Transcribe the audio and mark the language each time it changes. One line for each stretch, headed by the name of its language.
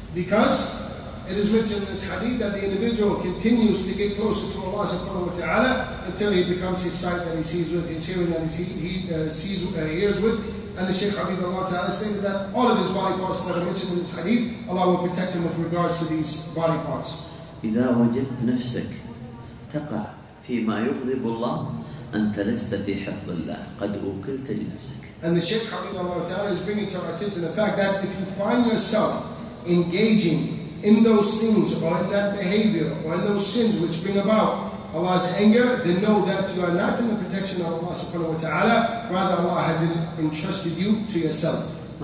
English: Because it is mentioned in this hadith that the individual continues to get closer to Allah subhanahu wa ta'ala until he becomes his sight that he sees with, his hearing that he hears with. And the Shaykh Habib Allah Ta'ala stated that all of his body parts that are mentioned in this hadith, Allah will protect him with regards to these body parts.
Arabic: إذا وجدت نفسك تقع فيما يغضب الله أنت لست في حفظ الله قد أوكلت لنفسك.
English: And the Shaykh Habib Allah Ta'ala is bringing to our attention the fact that if you find yourself engaging in those things or in that behavior or in those sins which bring about Allah's anger, then know that you are not in the protection of Allah subhanahu wa ta'ala, rather Allah has entrusted you to yourself.